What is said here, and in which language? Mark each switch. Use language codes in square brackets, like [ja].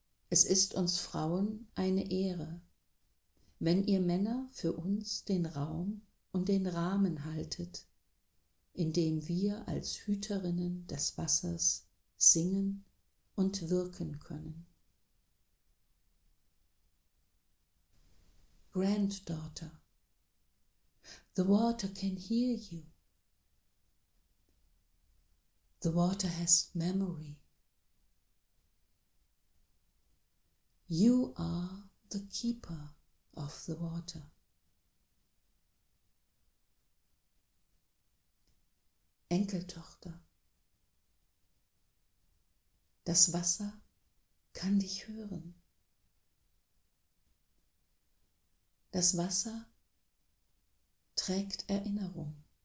[de] Es ist uns Frauen eine Ehre, wenn ihr Männer für uns den Raum und den Rahmen haltet, indem wir als Hüterinnen des Wassers singen und wirken können. [en] Granddaughter, the water can hear you. The water has memory. You are the keeper of the water. [de] Enkeltochter, das Wasser kann dich hören. Das Wasser trägt Erinnerung.